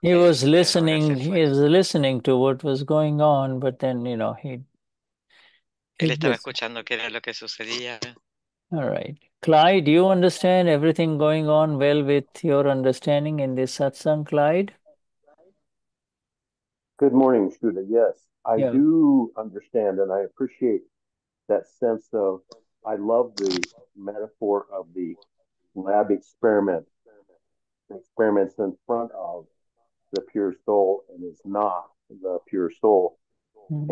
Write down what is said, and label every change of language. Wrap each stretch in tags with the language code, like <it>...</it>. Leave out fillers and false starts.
<en>He was listening, to what was going on, but then, you know,</en> <es>él estaba escuchando qué era lo que sucedía.</es> <en>All right. Clyde, you understand everything going on well with your understanding in this satsang, Clyde? Good morning, Shuda. Yes, I do understand, and I appreciate that sense of, I love the metaphor of the lab experiments in front of the pure soul, and is not the pure soul. Mm-hmm.</en>